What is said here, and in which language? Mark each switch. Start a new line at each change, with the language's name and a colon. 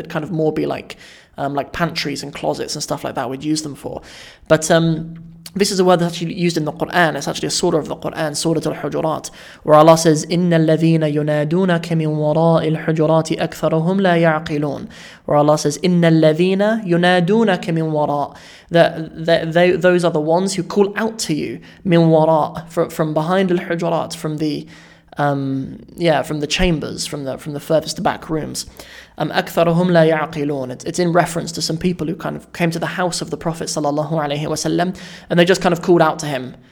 English: That kind of more be like pantries and closets and stuff like that we'd use them for. But this is a word that's actually used in the Qur'an. It's actually a surah of the Qur'an, Surah Al-Hujurat, where Allah says,
Arabic: إِنَّ الَّذِينَ يُنَادُونَكَ مِنْ وَرَاءِ الْحُجُرَاتِ أَكْثَرُهُمْ لَا يَعْقِلُونَ.
English: Where Allah says,
Arabic: إِنَّ الَّذِينَ يُنَادُونَكَ مِنْ وَرَاءِ.
English: Those are the ones who call out to you,
Arabic: مِنْ وَرَاءِ,
English: from behind الْحُجُرَاتِ, from the from the chambers, from the furthest back rooms.
Arabic: أكثرهم لا يعقلون.
English: It's in reference to some people who kind of came to the house of the Prophet sallallahu alaihi wasallam, and they just kind of called out to him.